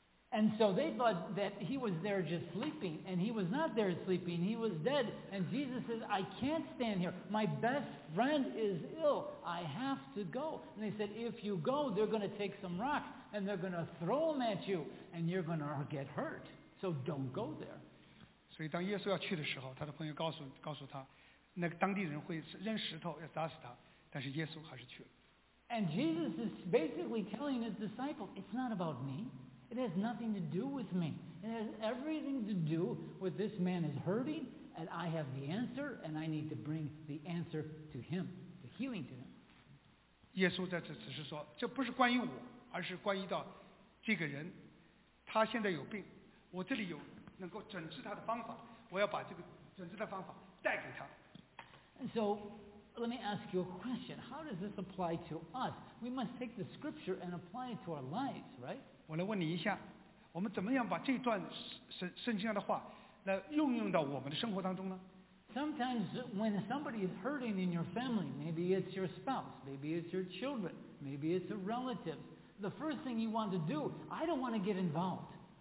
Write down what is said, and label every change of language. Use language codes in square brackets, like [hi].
[en] And so they thought that he was there just sleeping, and he was not there sleeping, he was dead. And Jesus says, I can't stand here. My best friend is ill. I have to go. And they said, if you go, they're going to take some rocks, and they're going to throw them at you, and you're going to get hurt. So don't go there. [zh] 所以当耶稣要去的时候，他的朋友告诉他，那个当地人会扔石头要砸死他，但是耶稣还是去了。 [en] And Jesus is basically telling his disciples, it's not about me. It has nothing to do with me. It has everything to do with this man is hurting, and I have the answer, and I need to bring the answer to him, the healing to him. [zh] 耶稣在此时说，这不是关于我，而是关于到这个人，他现在有病，我这里有能够诊治他的方法，我要把这个诊治的方法带给他。 [en] And so, let me ask you a question. How does this apply to us? We must take the scripture and apply it to our lives, right? [zh] 我来问你一下，我们怎么样把这段圣经上的话来运用到我们的生活当中呢？ [en] Sometimes when somebody is hurting in your family, maybe it's your spouse, maybe it's your children, maybe it's a relative, the first thing you want to do, I don't want to get involved.